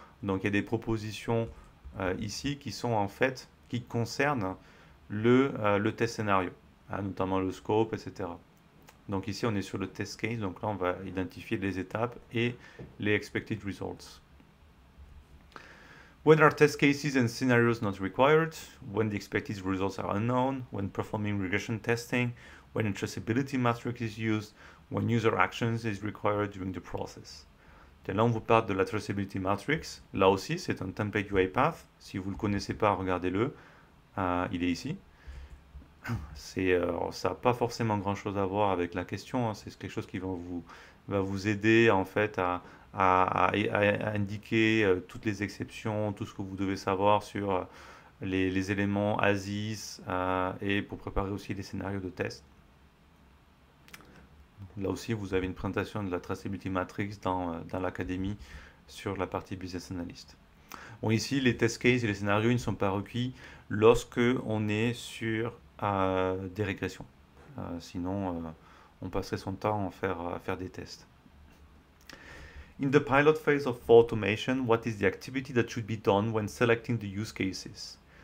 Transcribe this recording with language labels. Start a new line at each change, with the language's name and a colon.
French: Donc, il y a des propositions ici qui sont en fait qui concernent. Le test scénario, hein, notamment le scope, etc. Donc ici, on est sur le test case, donc là, on va identifier les étapes et les expected results.
English: When are test cases and scenarios not required? When the expected results are unknown? When performing regression testing? When a traceability metric is used? When user actions is required during the process?
French: Et là, on vous parle de la traceability matrix. Là aussi, c'est un template UiPath. Si vous ne le connaissez pas, regardez-le. Il est ici. Ça n'a pas forcément grand chose à voir avec la question. Hein. C'est quelque chose qui va vous va vous aider en fait à indiquer toutes les exceptions, tout ce que vous devez savoir sur les éléments ASIS et pour préparer aussi les scénarios de test. Là aussi, vous avez une présentation de la Traceability Matrix dans l'académie sur la partie Business Analyst. Bon, ici, les test cases et les scénarios ne sont pas requis lorsque on est sur des régressions. Sinon, on passerait son temps à faire des tests.
English: In the pilot phase of automation, what is the activity that should be done when selecting the use cases?